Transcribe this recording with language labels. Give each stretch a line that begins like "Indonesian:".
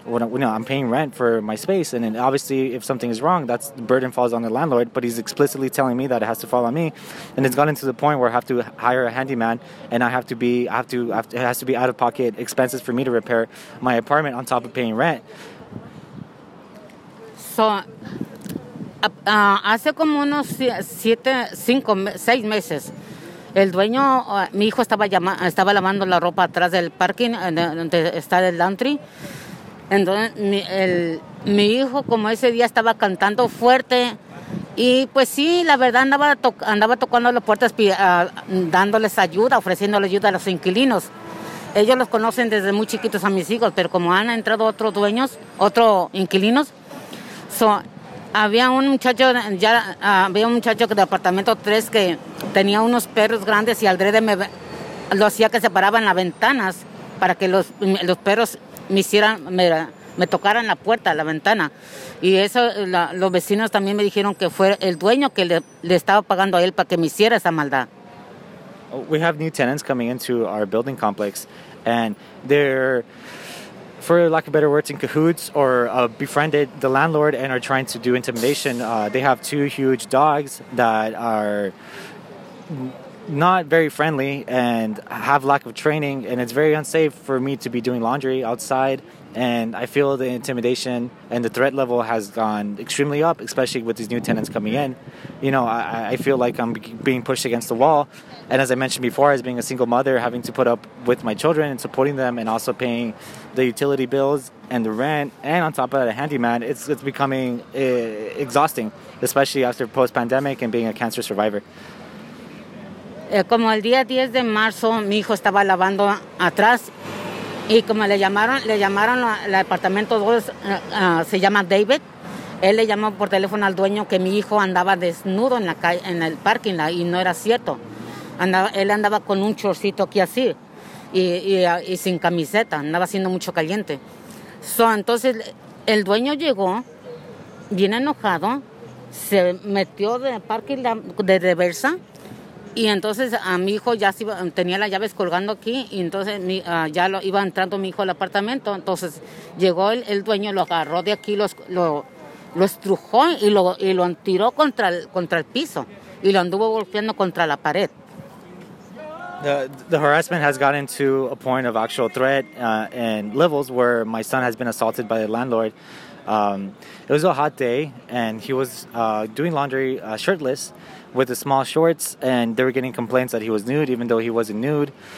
English: I'm paying rent for my space, and then obviously if something is wrong, that's the burden falls on the landlord, but he's explicitly telling me that it has to fall on me. And it's gotten to the point where I have to hire a handyman, and it has to be out of pocket expenses for me to repair my apartment on top of paying rent.
Spanish: So hace como unos seis meses, el dueño, mi hijo estaba lavando la ropa atrás del parking, donde está el laundry. Entonces, mi hijo, como ese día estaba cantando fuerte, y pues sí, la verdad, andaba tocando las puertas, dándoles ayuda, ofreciéndole ayuda a los inquilinos. Ellos los conocen desde muy chiquitos a mis hijos, pero como han entrado otros inquilinos, había un muchacho del apartamento 3 que tenía unos perros grandes y adrede me lo hacía que se paraban las ventanas para que los perros me tocaran la puerta, la ventana. Y eso, los vecinos también me dijeron que fue el dueño que le estaba pagando a él para que me hiciera esa maldad.
English: We have new tenants coming into our building complex, and they're, for lack of better words, in cahoots, or befriended the landlord and are trying to do intimidation. They have two huge dogs that are not very friendly and have lack of training, and it's very unsafe for me to be doing laundry outside. And I feel the intimidation and the threat level has gone extremely up, especially with these new tenants coming in. You know, I feel like I'm being pushed against the wall. And as I mentioned before, as being a single mother, having to put up with my children and supporting them and also paying the utility bills and the rent, and on top of that, a handyman, it's becoming exhausting, especially after post-pandemic and being a cancer survivor.
Spanish: Como el día 10 de marzo, mi hijo estaba lavando atrás. Y como le llamaron al apartamento 2, se llama David. Él le llamó por teléfono al dueño que mi hijo andaba desnudo en la calle, en el parking lot, y no era cierto. Él andaba con un chorcito aquí así y sin camiseta, andaba haciendo mucho caliente. Entonces el dueño llegó bien enojado, se metió del parking lot de reversa Y entonces a mi hijo ya se iba, tenía las llaves colgando aquí y entonces iba entrando mi hijo al apartamento. Entonces llegó el dueño, lo agarró de aquí, lo estrujó y lo tiró contra el piso y lo anduvo golpeando contra la pared.
English: The harassment has gotten to a point of actual threat and levels where my son has been assaulted by the landlord. It was a hot day and he was doing laundry shirtless with the small shorts, and they were getting complaints that he was nude, even though he wasn't nude.